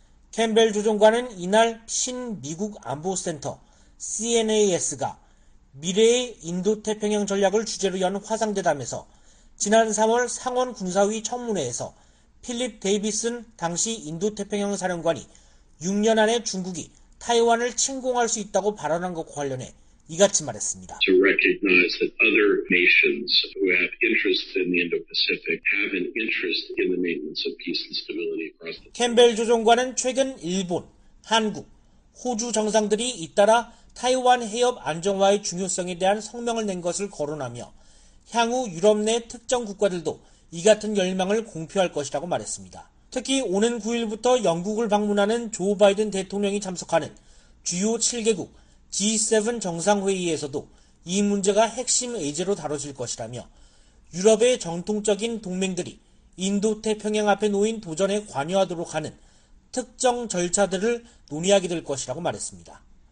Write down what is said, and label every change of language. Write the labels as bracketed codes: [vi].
[ko] 캠벨 조정관은 이날 신미국 안보센터 CNAS가 미래의 인도-태평양 전략을 주제로 연 화상대담에서 지난 3월 상원 군사위 청문회에서 필립 데이비슨 당시 인도-태평양 사령관이 6년 안에 중국이 타이완을 침공할 수 있다고 발언한 것과 관련해 이같이 말했습니다. [en] To recognize that other nations who have interest in the Indo-Pacific have an interest in the maintenance of peace and stability across the [ko] 캠벨 조정관은 최근 일본, 한국, 호주 정상들이 잇따라 타이완 해협 안정화의 중요성에 대한 성명을 낸 것을 거론하며 향후 유럽 내 특정 국가들도 이 같은 열망을 공표할 것이라고 말했습니다. 특히 오는 9일부터 영국을 방문하는 조 바이든 대통령이 참석하는 주요 7개국 G7 정상회의에서도 이 문제가 핵심 의제로 다뤄질 것이라며 유럽의 정통적인 동맹들이 인도-태평양 앞에 놓인 도전에 관여하도록 하는 특정 절차들을 논의하게 될 것이라고 말했습니다.